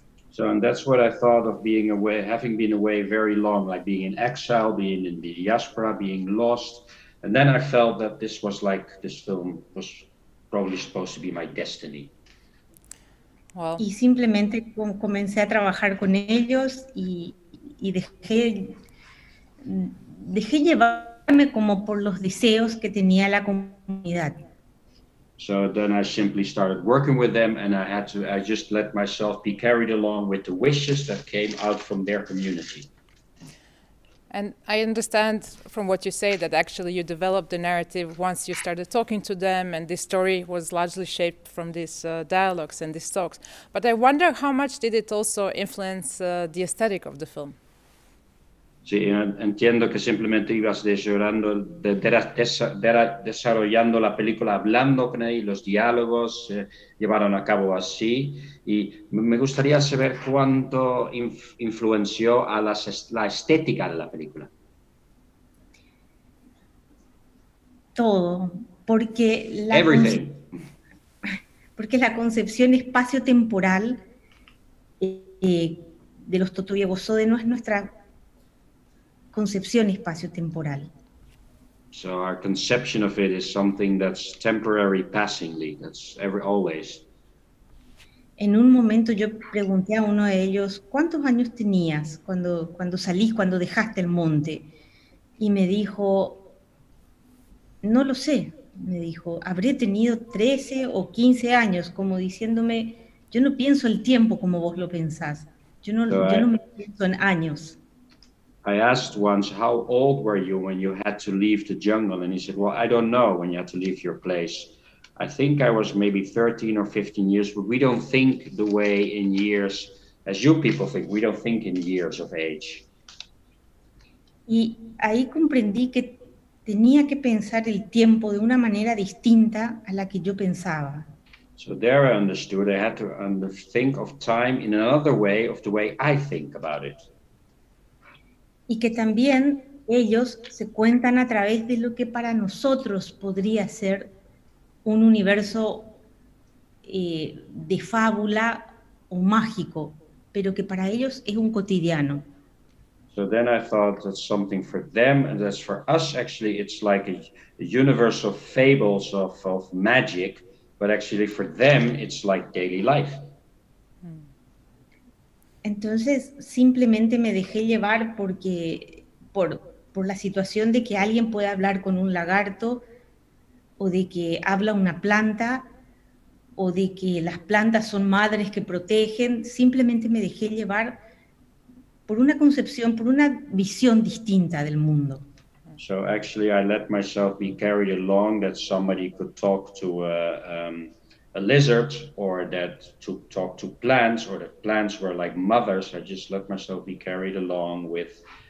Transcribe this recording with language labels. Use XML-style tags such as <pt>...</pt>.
<en>So, and that's what I thought of being away, having been away very long, like being in exile, being in the diaspora, being lost. And then I felt that this was like, this film was probably supposed to be my destiny. Well.</en> <es>Y simplemente comencé a trabajar con ellos y dejé llevarme como por los deseos que tenía la comunidad.</es> <en>So then I simply started working with them and I just let myself be carried along with the wishes that came out from their community. And I understand from what you say that actually you developed the narrative once you started talking to them, and this story was largely shaped from these dialogues and these talks. But I wonder how much did it also influence the aesthetic of the film?</en> <es>Sí, entiendo que simplemente ibas desarrollando la película, hablando con ellos, los diálogos llevaron a cabo así. Y me gustaría saber cuánto influenció a la estética de la película. Todo, porque la concepción espacio-temporal de los Totoyebosode no es nuestra concepción espacio-temporal.</es> <en>So our conception of it is something that's temporary, passingly, that's ever, always.</en> <es>En un momento yo pregunté a uno de ellos, ¿cuántos años tenías cuando salís, cuando dejaste el monte? Y me dijo, no lo sé, me dijo, habré tenido 13 o 15 años, como diciéndome, yo no pienso el tiempo como vos lo pensás, yo no me pienso en años.</es> <en>I asked once, how old were you when you had to leave the jungle? And he said, well, I don't know when you had to leave your place. I think I was maybe 13 or 15 years, but we don't think the way in years, as you people think, we don't think in years of age.</en> <es>Y ahí comprendí que tenía que pensar el tiempo de una manera distinta a la que yo pensaba.</es> <en>So there I understood, I had to think of time in another way of the way I think about it.</en> <es>Y que también ellos se cuentan a través de lo que para nosotros podría ser un universo de fábula o mágico, pero que para ellos es un cotidiano.</es> <en>So then I thought that's something for them, and that's for us actually, it's like a universe of fables of magic, but actually for them it's like daily life.</en> <es>Entonces simplemente me dejé llevar porque por la situación de que alguien pueda hablar con un lagarto o de que habla una planta o de que las plantas son madres que protegen, simplemente me dejé llevar por una concepción, por una visión distinta del mundo.</es> <en>So actually I let myself be carried along that somebody could talk to a lizard, or that to talk to plants, or that plants were like mothers. I just let myself be carried along with</en>